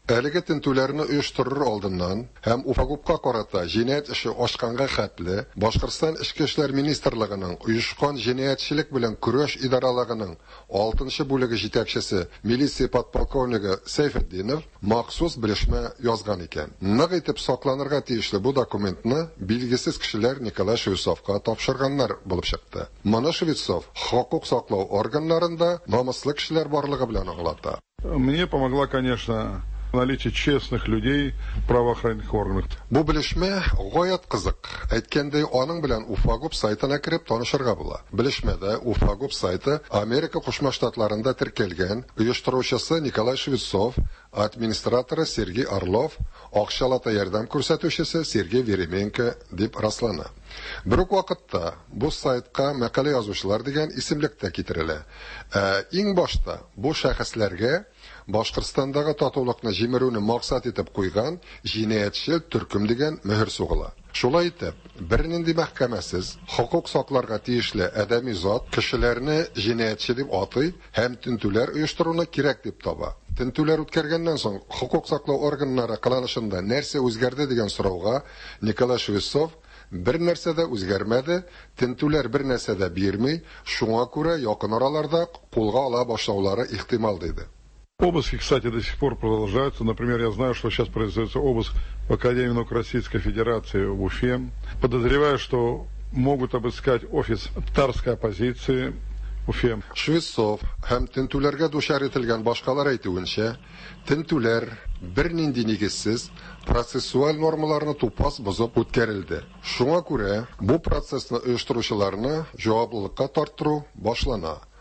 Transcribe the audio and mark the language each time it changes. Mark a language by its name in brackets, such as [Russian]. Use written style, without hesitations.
[Tatar] Әлеге тентүләрне оештырыр алдыннан һәм УФАГУПка карата җинаять эше ачканга хәтле Башкортстан эчке эшләр министрлыгының оешкан җинаятьчелек белән көрәш идаралыгының 6-нчы бүлеге җитәкчесе милиция подполковнигы Сәйфетдинов махсус белешмә язган икән. Нык итеп сакланырга тиешле бу документны билгесез кешеләр Николай Шевцовка тапшырганнар булып чыкты. Моны Шевцов хокук саклау органнарында намыслы кешеләр барлыгы белән аңлата. [Russian] Мне помогла, конечно, наличие честных людей правоохранительных органов. [Tatar] Бу белешмә гаять кызык. Әйткәндәй, аның белән УФАГУП сайтына кереп танышырга була. Белешмәдә УФАГУП сайты Америка Кушма штатларында теркәлгән, оештыручысы Николай Швецов, администраторы Сергей Орлов, акчалата ярдәм күрсәтүчесе Сергей Веременко дип раслана. Бер үк вакытта бу сайтка мәкалә язучылар дигән исемлек тә китерелә. Иң башта бу шәхесләргә Башкортстандагы татулыкны җимерүне максат итеп куйган җинаятьчел төркем дигән мөһер сугыла. Шулай итеп, бернинди мәхкәмәсез, хокук сакларга тиешле адәми зат кешеләрне җинаятьче дип атый һәм тентүләр оештыруны кирәк дип таба. Тентүләр үткәргәннән соң хокук саклау органнары кылынышында нәрсә үзгәрде дигән сорауга Николай Швецов бер нәрсә дә үзгәрмәде, тентүләр бер нәрсә дә бирми, шуңа күрә якын араларда кулга ала башлаулары ихтимал диде. [Russian] Обыски, кстати, до сих пор продолжаются. Например, я знаю, что сейчас производится обыск в Академии наук Российской Федерации в Уфе. Подозреваю, что могут обыскать офис татарской оппозиции в Уфе. [Tatar] Швецов һәм тентүләргә душар ителгән башкалар әйтүенчә, тентүләр бернинди нигезсез процессуаль нормаларны тупас бозып үткәрелде. Шуңа күрә бу процессны оештыручыларны җаваплылыкка тарттыру башлана.